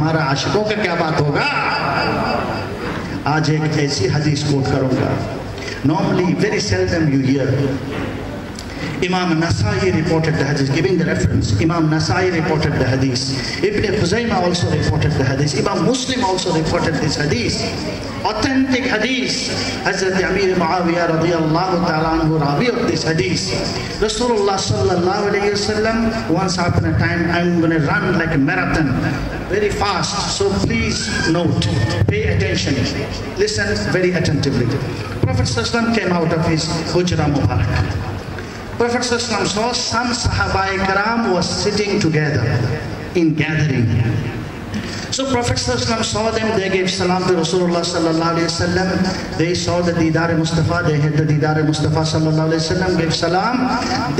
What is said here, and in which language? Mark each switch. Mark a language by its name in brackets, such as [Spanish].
[Urdu] عاشقوں کا کیا بات ہوگا. آج ایک ایسی حدیث کوٹ کروں گا. [English] Normally very seldom you hear امام نسائی reported the حدیث, گیونگ دی ریفرنس. امام نسائی رپورٹڈ دی حدیث, ابن خزیمہ آلسو رپورٹڈ دی حدیث, امام مسلم آلسو رپورٹڈ دس حدیث, اوتھینٹک حدیث. حضرت امیر معاویہ رضی اللہ تعالیٰ عنہ راوی آف دس حدیث. رسول اللہ صلی اللہ علیہ وسلم once upon a time, I am gonna run like a marathon very fast, so please note, pay attention, listen very attentively. Prophet صلی اللہ علیہ وسلم کیم آؤٹ آف ہز حجرہ مبارک. Prophet Sallallahu Alaihi Wasallam saw some Sahaba-e Karam was sitting together in gathering. So Prophet Sallallahu Alaihi Wasallam saw them, they gave salam to Rasulullah Sallallahu Alaihi Wasallam. They saw the Didar-e-Mustafa, they heard the Didar-e-Mustafa Sallallahu Alaihi Wasallam, gave salam.